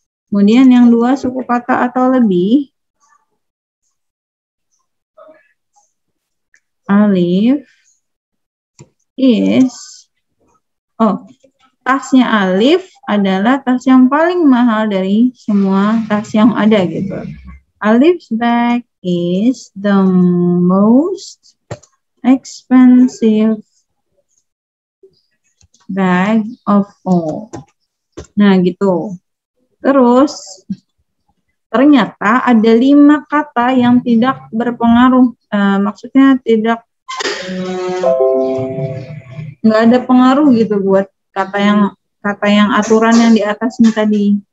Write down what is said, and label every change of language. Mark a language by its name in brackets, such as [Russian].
[Indonesian] Kemudian yang dua suku kata atau lebih. [English] Alif is [Indonesian] tasnya Alif adalah tas yang paling mahal dari semua tas yang ada gitu. [English] Alif's bag is the most expensive bag of all. [Indonesian] Nah, gitu. Terus, ternyata ada lima kata yang tidak berpengaruh. Maksudnya tidak, nggak ada pengaruh gitu buat kata yang aturan yang di atasnya tadi.